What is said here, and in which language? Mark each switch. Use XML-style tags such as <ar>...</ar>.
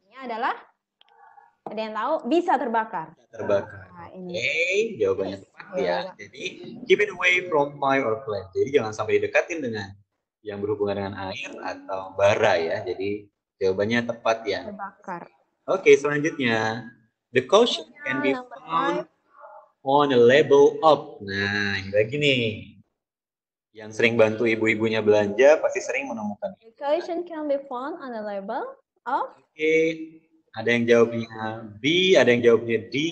<id>Ini adalah? Ada yang tahu? Bisa terbakar. Terbakar. Oke, jawabannya tepat ya. Jadi,</id> <en>keep it away from fire or flame.</en> <id>Jadi, jangan sampai didekatin dengan yang berhubungan dengan air atau bara ya. Jadi, jawabannya tepat ya. Terbakar. Oke, selanjutnya.</id> <en>The caution can be found on a label up.</en> <id>Nah, ini lagi nih. Yang sering bantu ibu-ibunya belanja, pasti sering menemukan.</id> <en>The caution can be found on a label up.</en> <id>Oke. Ada yang jawabnya B, ada yang jawabnya D.</id>